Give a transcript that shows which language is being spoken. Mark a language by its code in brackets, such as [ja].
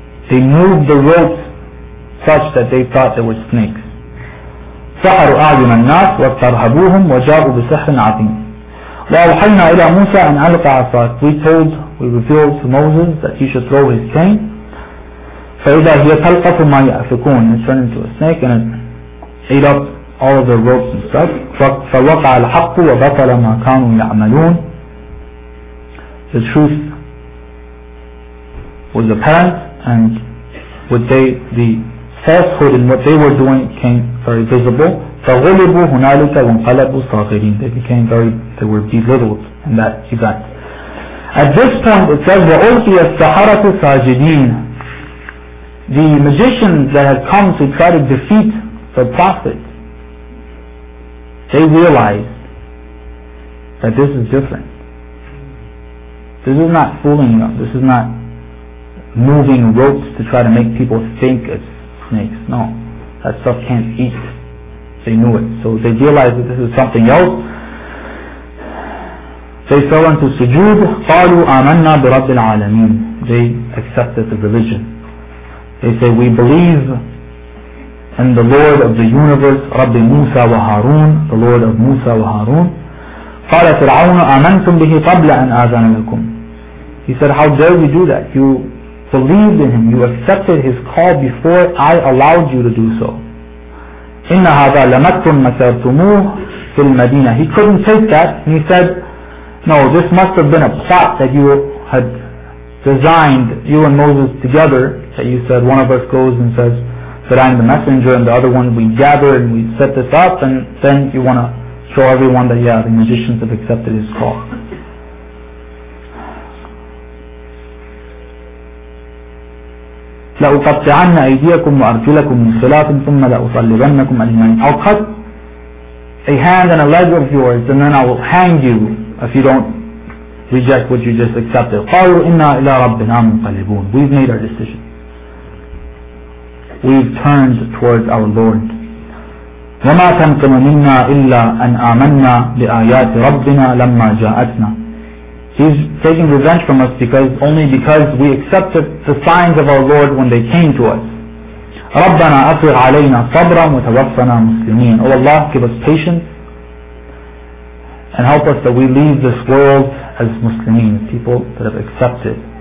[en] They moved the ropes such that they thought there were snakes. [ar] سحروا أعين الناس واسترهبوهم وجاءوا بسحر عظيم. وأوحينا إلى موسى أن ألق عصاك. [en] We revealed to Moses that he should throw his cane. [ar] فإذا هي تلقف ما يأفكون. [en] It turned into a snake and it ate up all of the ropes and stuff. [ar] فوقع الحق وبطل ما كانوا يعملون. [en] The truth was apparent, and what the falsehood in what they were doing came very visible. [ar] فغلبوا هنالك وانقلبوا صاغرين. [en] They were belittled in that event. At this point, it says [ar] وألقي السحرة ساجدين. [en] The magicians that had come to try to defeat the prophet, they realized that this is different. This is not fooling them. This is not moving ropes to try to make people think it's snakes. No, that stuff can't eat. They knew it. So they realized that this is something else. They fell into sujood. [ar] قالوا آمنا برب العالمين. [en] They accepted the religion. They say, we believe in the Lord of the universe, [ar] رب موسى وهارون, [en] the Lord of موسى وهارون. [ar] قال فرعون آمنتم به قبل أن آذن لكم. [en] He said, how dare you do that? You believed in him, you accepted his call before I allowed you to do so. [ar] إن هذا لمكتم مسرتموه في المدينة. [en] He couldn't take that. He said, no, this must have been a plot that you had designed, you and Moses together, that you said one of us goes and says that I'm the messenger and the other one we gather and we set this up, and then you want to show everyone that yeah, the magicians have accepted his call. [ar] لأقطعن أيديكم وأرجلكم من خلاف ثم لأصلبنكم أجمعين. [en] I'll cut a hand and a leg of yours and then I will hang you if you don't reject what you just accepted. [ar] قالوا إنا إلى ربنا منقلبون. [en] We've made our decision. We've turned towards our Lord. [ar] وما تنقم منا إلا أن آمنا بآيات ربنا لما جاءتنا. [en] He's taking revenge from us because we accepted the signs of our Lord when they came to us. [ar] ربنا أفرغ علينا صبرا وتوفنا مسلمين. [en] Oh Allah, give us patience and help us that we leave this world as Muslimin, people that have accepted.